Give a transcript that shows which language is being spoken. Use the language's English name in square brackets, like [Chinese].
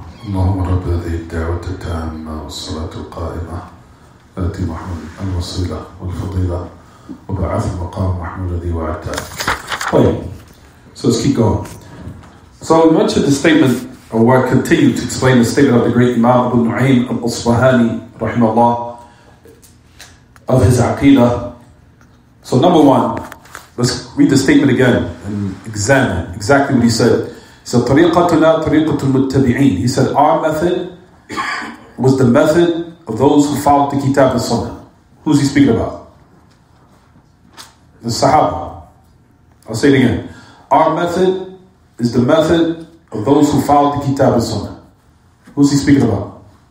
[Arabic] اللهم رب هذه الدعوة التامة والصلاة القائمة التي محمود الوصيلة والفضيلة وبعث المقام محمود الذي وعدته. طيب. [English] So let's keep going. So we mentioned the statement, or we continue to explain the statement of the great Imam Abu Nu'aym al-Isfahani, rahimahullah, of his aqidah. So number one, let's read the statement again and examine exactly what he said. [Arabic] So طريقتنا طريقة المتبعين. [English] He said our method was the method of those who followed the Kitab and Sunnah. Who's he speaking about? The Sahaba. I'll say it again. Our method is the method of those who followed the Kitab and Sunnah. Who's he speaking about?